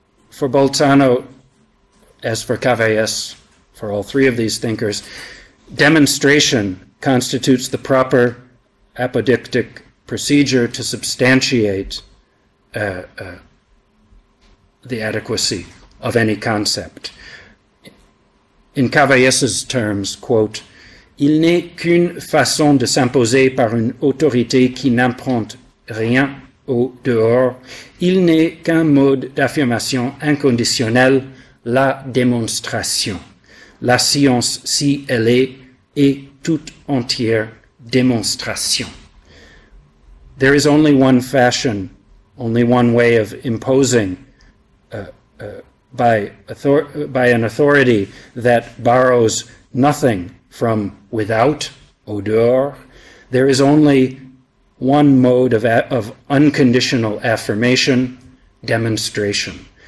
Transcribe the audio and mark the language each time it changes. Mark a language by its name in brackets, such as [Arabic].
[English] For Bolzano, as for Cavailles, for all three of these thinkers, demonstration constitutes the proper apodictic procedure to substantiate the adequacy of any concept. In Cavailles' terms, quote, [French] il n'est qu'une façon de s'imposer par une autorité qui n'emprunte rien au dehors. Il n'est qu'un mode d'affirmation inconditionnelle, la démonstration. La science, si elle est toute entière démonstration. [English] There is only one fashion, only one way of imposing by an authority that borrows nothing from without, [French] au dehors. [English] There is only one mode of unconditional affirmation, demonstration.